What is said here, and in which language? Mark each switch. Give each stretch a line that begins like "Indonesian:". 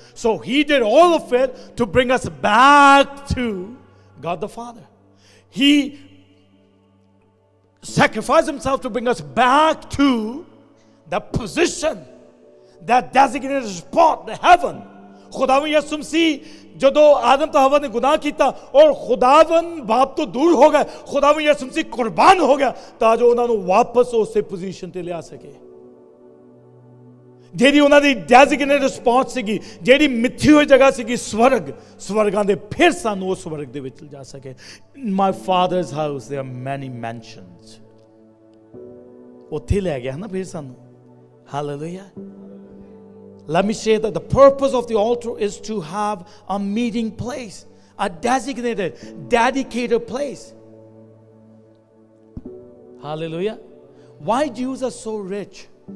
English: So he did all of it to bring us back to God the Father. He sacrificed himself to bring us back to the position, that designated spot, the heaven.
Punjabi: ਖੁਦਾਵੰ ਯਸੂ ਮਸੀਹ ਜਦੋਂ ਆਦਮ ਤੋਂ ਹਵਾ ਨੇ ਗੁਨਾਹ ਕੀਤਾ ਔਰ ਖੁਦਾਵੰ ਬਾਪ ਤੋਂ ਦੂਰ ਹੋ ਗਿਆ, ਖੁਦਾਵੰ ਯਸੂ ਮਸੀਹ ਕੁਰਬਾਨ ਹੋ ਗਿਆ ਤਾਂ ਜੋ ਉਹਨਾਂ ਨੂੰ ਵਾਪਸ ਉਸੇ ਪੋਜੀਸ਼ਨ ਤੇ ਲਿਆ ਸਕੇ ਜਿਹੜੀ ਉਹਨਾਂ ਦੀ ਡੈਜ਼ਿਗਨੇਟਡ ਸਪੌਟ ਸੀਗੀ, ਜਿਹੜੀ ਮਿੱਥੀ ਹੋਈ ਜਗ੍ਹਾ ਸੀਗੀ ਸਵਰਗ, ਸਵਰਗਾਂ ਦੇ ਫਿਰ ਸਾਨੂੰ ਉਹ ਸਵਰਗ ਦੇ ਵਿੱਚ ਜਾ ਸਕੇ.
English: my father's house there are many mansions,
Punjabi: ਉੱਥੇ ਲੈ ਗਿਆ ਨਾ ਫਿਰ ਸਾਨੂੰ. Hallelujah.
English: Let me say that the purpose of the altar is to have a meeting place, a designated, dedicated place. Hallelujah. Why Jews are so rich?